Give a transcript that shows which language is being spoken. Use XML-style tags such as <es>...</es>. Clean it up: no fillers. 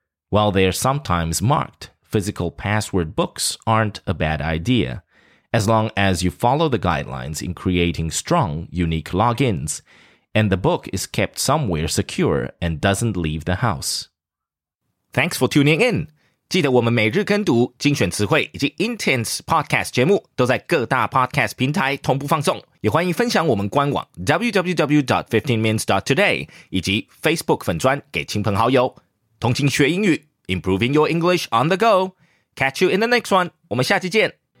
<en>While they're sometimes marked, physical password books aren't a bad idea, as long as you follow the guidelines in creating strong, unique logins, and the book is kept somewhere secure and doesn't leave the house. Thanks for tuning in!</en> <zh>记得我们每日跟读精选词汇以及 Intense Podcast 节目都在各大 Podcast 平台同步放送，也欢迎分享我们官网 www.15minutes.today 以及 Facebook 粉专给亲朋好友。通勤学英语，</zh> <en>Improving your English on the go. Catch you in the next one.</en> <zh>我们下期见。</zh>